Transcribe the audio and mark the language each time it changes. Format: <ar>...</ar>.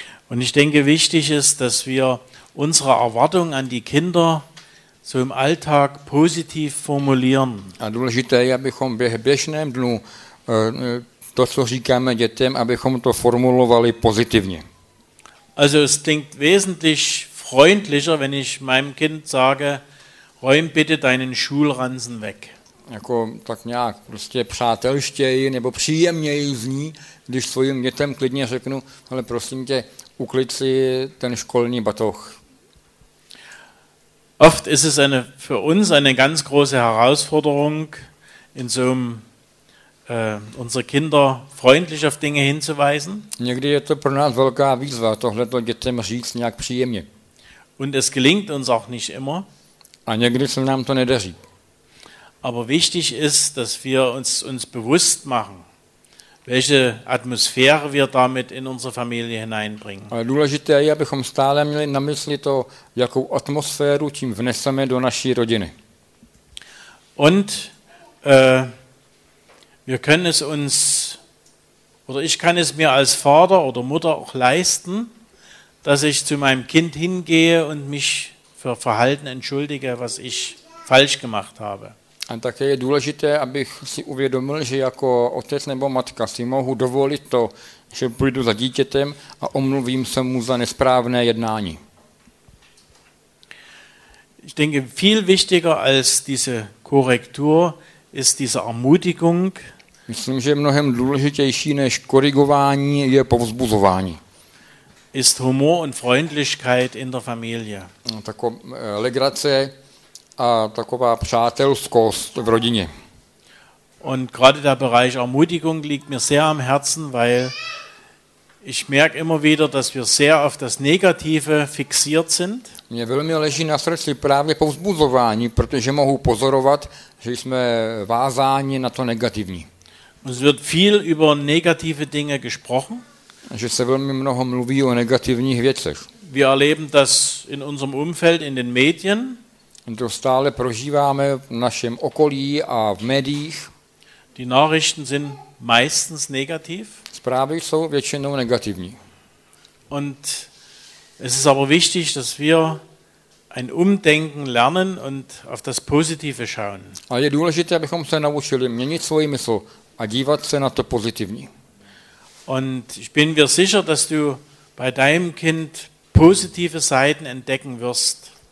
<de>Und ich denke, wichtig ist, dass wir unsere Erwartung an die Kinder so im Alltag positiv formulieren.</de> <cs>A důležité je, abychom během běžném dnu to, co říkáme dětem, abychom to formulovali pozitivně.</cs> <de>Also es klingt wesentlich freundlicher, wenn ich meinem Kind sage, räum bitte deinen Schulranzen weg.</de> <cs>Jako tak nějak prostě přátelštěji nebo příjemněji zní, když svým dětem klidně řeknu, ale prosím tě, uklid si ten školní batoh.</cs> <de>Oft ist es eine, für uns eine ganz große Herausforderung, in so einem, unsere Kinder freundlich auf Dinge hinzuweisen.</de> <cs>Někdy je to pro nás velká výzva, tohleto dětem říct nějak příjemně.</cs> <de>Und es gelingt uns auch nicht immer.</de> <cs>A někdy se nám to nedaří.</cs> <de>Aber wichtig ist, dass wir uns bewusst machen, welche Atmosphäre wir damit in unsere Familie hineinbringen.</de> <cs>Ale důležité je, abychom stále měli na mysli to, jakou atmosféru tím vneseme do naší rodiny.</cs> <de>Und wir können es uns, oder ich kann es mir als Vater oder Mutter auch leisten, dass ich zu meinem Kind hingehe und mich für Verhalten entschuldige, was ich falsch gemacht habe.</de> <cs>A také je důležité, abych si uvědomil, že jako otec nebo matka si mohu dovolit to, že půjdu za dítětem a omluvím se mu za nesprávné jednání.</cs> <de>Ich denke, viel wichtiger als diese Korrektur ist diese Ermutigung.</de> <cs>Myslím, že mnohem důležitější než korigování je povzbuzování.</cs> <de>ist Humor und Freundlichkeit in der Familie.</de> <cs>Legrace a taková přátelskost v rodině.</cs> <de>Und gerade der Bereich Ermutigung liegt mir sehr am Herzen, weil ich merke immer wieder, dass wir sehr auf das Negative fixiert sind.</de> <cs>Mě velmi leží na srdci právě povzbuzování, protože mohu pozorovat, že jsme vázáni na to negativní.</cs> <de>Es wird viel über negative Dinge gesprochen.</de> <cs>Že se velmi mnoho mluví o negativních věcech.</cs> <de>Wir erleben das in unserem Umfeld, in den Medien.</de> <cs>To stále prožíváme v našem okolí a v médiích.</cs> <de>Die Nachrichten sind meistens negativ.</de> <cs>Zprávy jsou většinou negativní.</cs> <de>Und es ist aber wichtig, dass wir ein Umdenken lernen und auf das Positive schauen.</de> <cs>A je důležité, abychom se naučili měnit svoji mysl a dívat se na to pozitivní.</cs> <de>Und ich bin mir sicher, dass du bei deinem Kind positive Seiten entdecken wirst.</de>